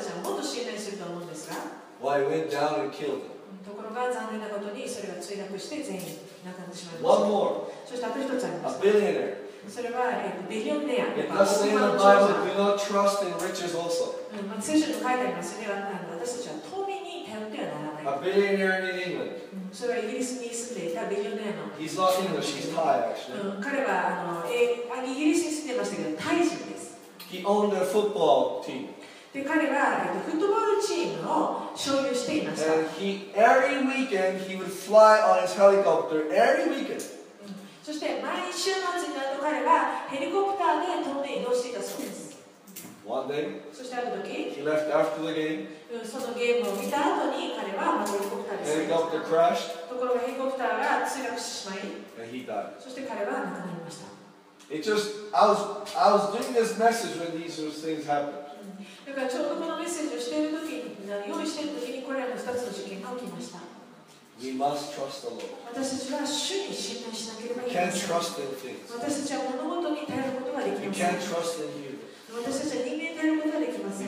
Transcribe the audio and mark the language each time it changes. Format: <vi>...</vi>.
<ja>だから、まあ、新型って言ったらむしろ私たちはもっと信頼すると思うんですが、well, ところが残念なことにそれが墜落して全員亡くなってしまいました。そしてあと一つあります。</ja> <en>A billionaire. It does say in the Bible, do not trust in riches also.</en> <ja>聖書に書いてありますね。私たちは富に頼ってはならない。</ja> <en>A billionaire in England.</en> <ja>それはイギリスに住んでいたビジョネアの。</ja> <en>He's not English, he's Thai actually.</en> <ja>彼はイギリスに住んでましたけど、タイ人です。</ja> <en>He owned a football team.</en> <ja>で彼は、フットボールチームを所有していました。</ja> <en>And he, every weekend he would fly on his helicopter every weekend.</en> <ja>そして毎週末になると彼はヘリコプターで飛んで移動していたそうです。</ja> <en>One day,</en> <ja>そしてある時、</ja> <en>he left after the game.</en> <ja>そのゲームを見た後に彼はヘリコプターで死にました。</ja> <en>Helicopter crashed.</en> <ja>ところがヘリコプターが墜落してしまい、</ja> <en>And he died.</en> <ja>そして彼は亡くなりました。</ja> <en>It just, I was doing this message when these sort of things happened.</en> <ja>だからちょうどこのメッセージをしている時に、用意している時にこれらの2つの事件が起きました。</ja> <en>We must trust the Lord.</en> <ja>私たちは主に信頼しなければいけない。</ja> <en>We can't trust in things.</en> <ja>私たちは物事に頼ることができません。</ja> <en>We can't trust in you.</en> <ja>私たちは人間に頼ることができません。</ja>